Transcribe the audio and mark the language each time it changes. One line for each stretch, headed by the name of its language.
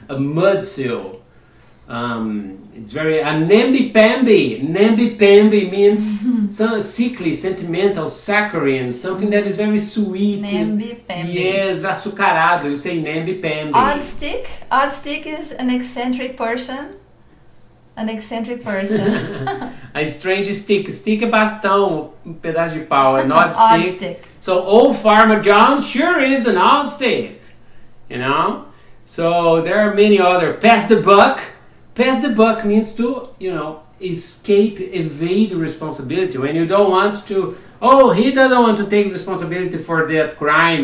English: A mud seal. It's very a namby-pamby. Namby-pamby means some sickly, sentimental, saccharine, something that is very sweet. Namby-pamby. Yes, açucarado. You say namby-pamby. Odd stick. Odd stick is an eccentric person. An eccentric person. A strange stick.
Portuguese: Stick é bastão, um pedaço de pau.
English: An odd stick. Odd stick. So old Farmer John's sure is an odd stick. You know? So there are many other. Pass the buck. Pass the buck means to, you know, escape, evade responsibility. When you don't want to, oh, he doesn't want to take responsibility for that crime.